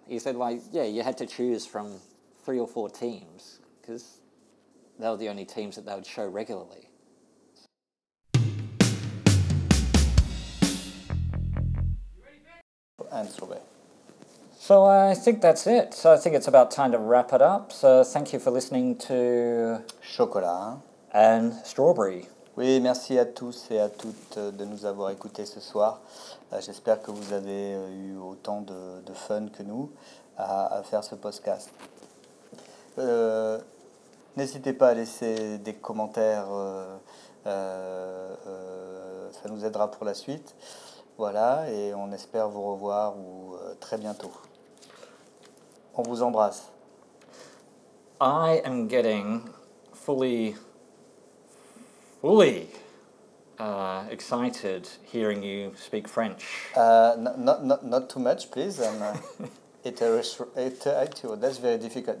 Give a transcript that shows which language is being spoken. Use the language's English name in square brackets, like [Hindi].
[English] He said, like, yeah, you had to choose from three or four teams, because they were the only teams that they would show regularly. So I think that's it. So I think it's about time to wrap it up. So thank you for listening to Chocolat and Strawberry. [French] Oui, merci à tous et à toutes de nous avoir écoutés ce soir. J'espère que vous avez eu autant de fun que nous à faire ce podcast. N'hésitez pas à laisser des commentaires, ça nous aidera pour la suite. Voilà, et on espère vous revoir ou très bientôt. On vous embrasse. [English] I am getting fully excited hearing you speak French. Not too much, please. That's very difficult.